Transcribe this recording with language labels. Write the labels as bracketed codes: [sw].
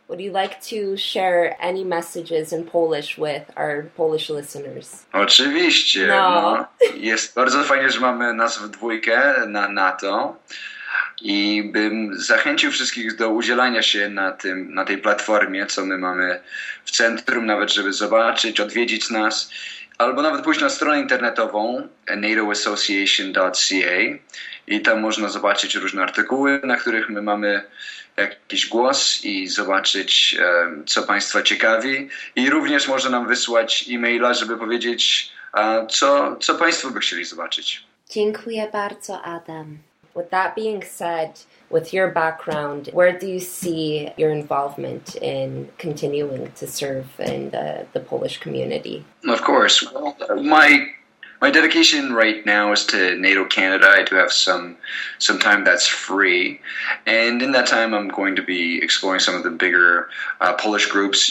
[en] Would you like to share any messages in Polish with our Polish listeners? [pl] Oczywiście. No. No, jest bardzo fajnie, że mamy nas w dwójkę na to. I bym zachęcił wszystkich do udzielania się na tej platformie, co my mamy w centrum, nawet żeby zobaczyć, odwiedzić nas, albo nawet pójść na stronę internetową natoassociation.ca i tam można zobaczyć różne artykuły, na których my mamy jakiś głos i zobaczyć, co Państwa ciekawi. I również może nam wysłać e-maila, żeby powiedzieć, co Państwo by chcieli zobaczyć. Dziękuję bardzo, Adam. [en] With that being said, with your background, where do you see your involvement in continuing to serve in the Polish community? Of course. Well, my dedication right now is to NATO Canada. I do have some time that's free. And in that time, I'm going to be exploring some of the bigger Polish groups.